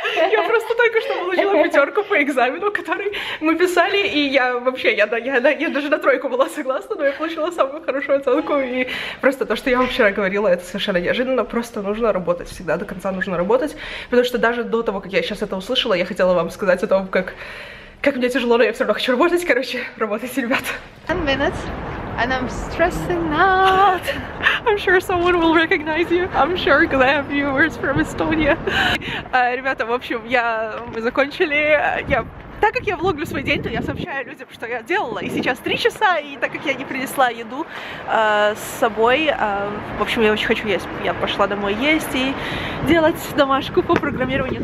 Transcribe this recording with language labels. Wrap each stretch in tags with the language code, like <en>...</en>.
<ru>Я просто только что получила пятерку по экзамену, который мы писали, и я вообще, я даже на тройку была согласна, но я получила самую хорошую оценку, и просто то, что я вам вчера говорила, это совершенно неожиданно, просто нужно работать, всегда до конца нужно работать, потому что даже до того, как я сейчас это услышала, я хотела вам сказать о том, как мне тяжело, но я все равно хочу работать, короче, работайте, ребят. 10 минут.</ru> <en>And I'm stressing out. I'm sure someone will recognize you. I'm sure glam viewers from Estonia.</en> <ru>Ребята, в общем, мы закончили. Так как я влоглю свой день, то я сообщаю людям, что я делала. И сейчас 3 часа, и так как я не принесла еду с собой, в общем, я очень хочу есть. Я пошла домой есть и делать домашку по программированию.</ru>